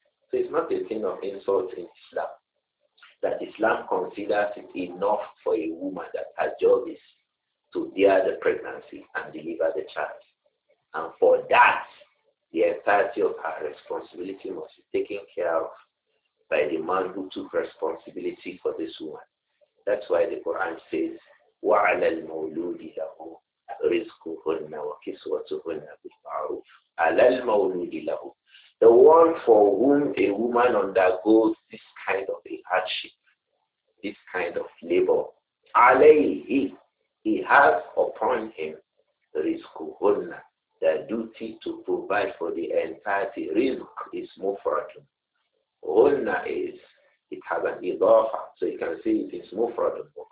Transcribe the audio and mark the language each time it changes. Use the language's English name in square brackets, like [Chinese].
[English] So it's not a thing of insult in Islam, that Islam considers it enough for a woman that her job is to bear the pregnancy and deliver the child. And for that, the entirety of her responsibility must be taken care of by the man who took responsibility for this woman. [Arabic] That's why the Quran says, وَعَلَى الْمَوْلُودِ لَهُ رِزْقُهُنَّ وَكِسْوَتُهُنَّ بِالْمَعْرُوفِ عَلَى الْمَوْلُودِ لَهُ. [English] The one for whom a woman undergoes this kind of a hardship, this kind of labor, [Arabic] عَلَيْهِ, [English] he has upon him [Arabic] رِزْقُهُنَّ, [English] the duty to provide for the entirety. Rizq is mufradun. Hunna is, it has an idafa, so you can see it is mufradun.